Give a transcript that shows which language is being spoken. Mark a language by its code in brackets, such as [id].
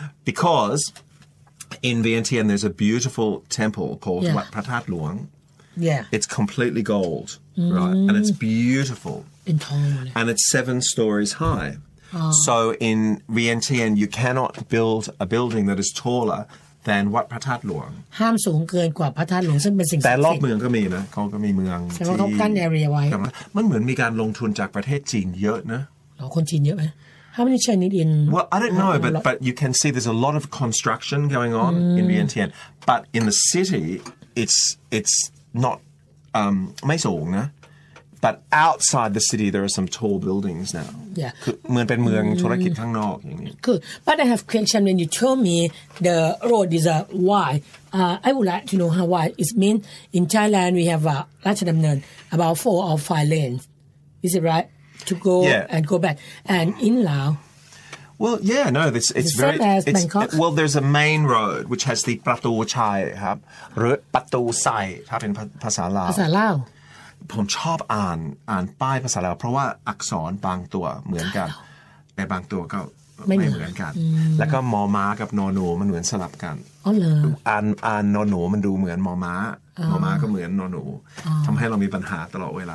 [en] Because in Vientiane there's a beautiful temple called Wat Phra Thát Luang. Yeah. It's completely gold, right? And it's beautiful. And it's 7 stories high. Oh. So in Vientiane, you cannot build a building that is taller than Wat Phra Thát Luang. [th] ห้ามสูงเกินกว่าพระธาตุหลวงซึ่งเป็นสิ่ง แต่รอบเมืองก็มีนะเขาก็มีเมือง ที่เขากั้น area ไว้มันเหมือนมีการลงทุนจากประเทศจีนเยอะนะ คนจีนเยอะไหม [en] How many Chinese in? Well, I don't know, but you can see there's a lot of construction going on in Vientiane. But in the city, it's not [th] ไม่สูงนะ [en] But outside the city, there are some tall buildings now. Yeah. But I have a question when you told me the road is wide. I would like to know how wide. It means in Thailand, we have about 4 or 5 lanes. Is it right? To go and go back. And in Lao? Well, yeah, no. It's very... Same as Bangkok? Well, there's a main road, which has the Pratu Chai. Or Pratu Sai. It's in Phasa Lao. Phasa Lao. [th] ผมชอบอ่านป้ายภาษาลาวเพราะว่าอักษรบางตัวเหมือนกันแต่บางตัวก็ ไม่เหมือนกันแล้วก็มอม้ากับนอหนูมันเหมือนสลับกัน อ๋อเหรออันอันนอหนูมันดูเหมือนมอม้าหมอม้าก็เหมือนนอหนูทำให้เรามีปัญหาตลอดเวล